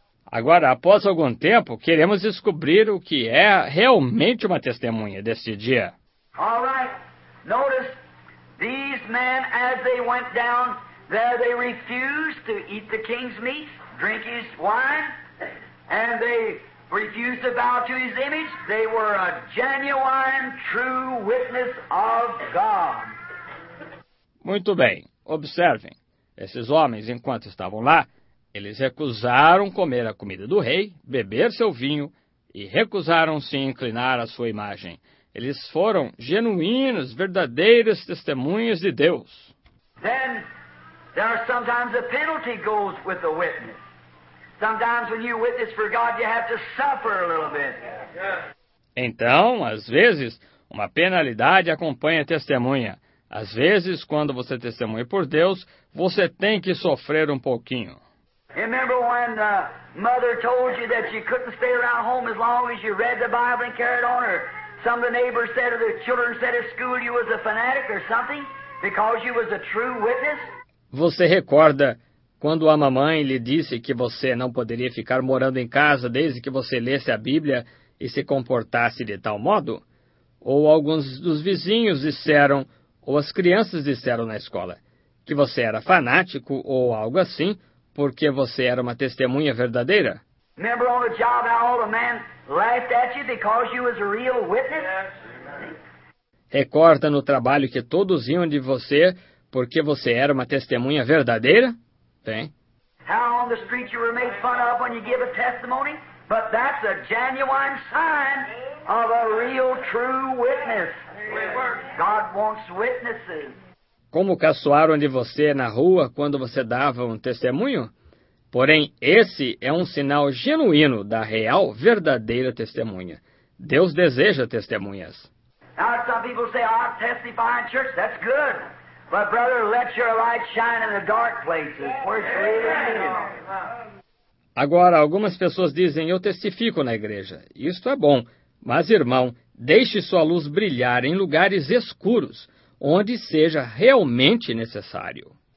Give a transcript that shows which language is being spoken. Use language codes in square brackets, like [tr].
[pt] Agora, após algum tempo, queremos descobrir o que é realmente uma testemunha deste dia. [en] All right. Notice these men as they went down there, they refused to eat the king's meat, drink his wine, and they refused to bow to his image. They were a genuine, true witness of God. [pt] Muito bem. Observem. Esses homens, enquanto estavam lá, eles recusaram comer a comida do rei, beber seu vinho e recusaram se inclinar à sua imagem. Eles foram genuínos, verdadeiros testemunhos de Deus. [en] Then there are sometimes a penalty goes with the witness. Sometimes when you witness for God, you have to suffer a little bit. [pt] Então, às vezes, uma penalidade acompanha a testemunha. Às vezes, quando você testemunha por Deus, você tem que sofrer um pouquinho. [en] Remember when the mother told you that you couldn't stay around home as long as you read the Bible and carried on, or some of the neighbors said, or the children said at school you was a fanatic or something because you was a true witness? [pt] Você recorda quando a mamãe lhe disse que você não poderia ficar morando em casa desde que você lesse a Bíblia e se comportasse de tal modo? Ou alguns dos vizinhos disseram, ou as crianças disseram na escola, que você era fanático ou algo assim, porque você era uma testemunha verdadeira? [en] Remember on the job how all the men laughed at you because you was a real witness? [pt] Recorda no trabalho que todos riam de você porque você era uma testemunha verdadeira? Bem. [en] How on the street you were made fun of when you give a testimony? But that's a genuine sign of a real true witness. God wants witnesses. [pt] Como caçoaram de você na rua quando você dava um testemunho? Porém, esse é um sinal genuíno da real, verdadeira testemunha. Deus deseja testemunhas. [en] Now, some people say, "I testify in church." That's good. But, brother, let your light shine in the dark places. Where's the light? [pt] Agora, algumas pessoas dizem, "Eu testifico na igreja." Isto é bom. Mas, irmão, deixe sua luz brilhar em lugares escuros. onde seja realmente necessário.